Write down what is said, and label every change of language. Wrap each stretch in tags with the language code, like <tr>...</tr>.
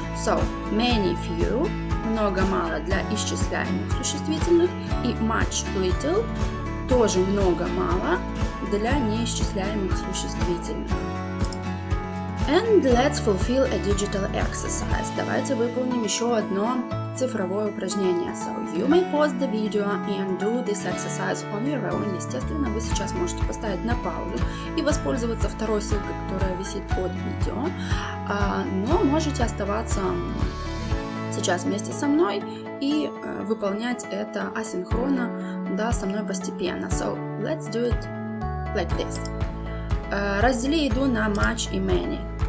<ru>So, many, few, много-мало для исчисляемых существительных, и much, little, тоже много-мало для неисчисляемых существительных.</ru> <en>And let's fulfill a digital exercise.</en> <ru>Давайте выполним еще одно цифровое упражнение.</ru> <en>So, you may pause the video and do this exercise on your own.</en> <ru>Естественно, вы сейчас можете поставить на паузу и воспользоваться второй ссылкой, которая висит под видео. Но можете оставаться сейчас вместе со мной и выполнять это асинхронно, да, со мной постепенно.</ru> <en>So, let's do it like this.</en> <ru>Раздели еду на much и many.</ru>